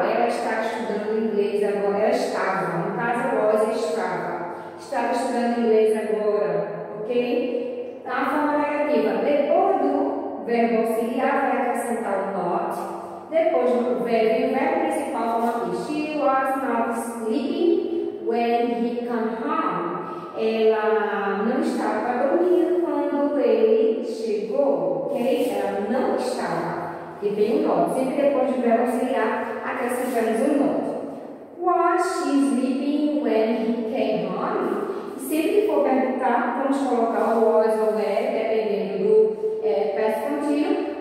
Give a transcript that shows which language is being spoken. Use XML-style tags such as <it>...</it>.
<pt>Ela está estudando inglês agora. Ela estava, no caso, was estava. Estava estudando inglês agora, ok? Na forma negativa, depois do verbo auxiliar, vai acrescentar o not. Depois do verbo, o verbo principal com aqui.</pt> <en>She was not sleeping when he came home.</en> <pt>Ela não estava dormindo quando ele chegou, ok? Ela não estava. E bem bom. Sempre depois do verbo auxiliar, acrescentamos um outro.</pt> <en>Was she sleeping when he came home?</en> <pt>Sempre que for perguntar, vamos colocar o was ou where, dependendo do passo contínuo.</pt>